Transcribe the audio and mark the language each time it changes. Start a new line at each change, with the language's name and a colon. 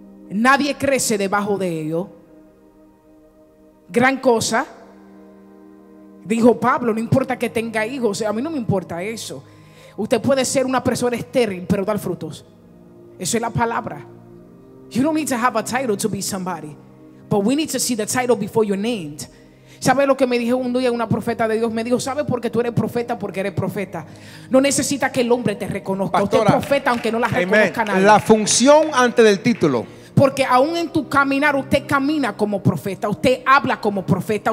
Spanish: Nadie crece debajo de ellos. Gran cosa. Dijo Pablo, no importa que tenga hijos. A mí no me importa eso. Usted puede ser una persona estéril, pero dar frutos. Eso es la palabra.
English: You don't need to have a title to be somebody. But we need to see the title before you're named.
Spanish: ¿Sabe lo que me dijo un día una profeta de Dios? Me dijo, ¿sabe por qué tú eres profeta? Porque eres profeta. No necesita que el hombre te reconozca. Pastora, usted es profeta aunque no la reconozca nadie. La función antes del título. Porque aún en tu caminar, usted camina como profeta. Usted habla como profeta.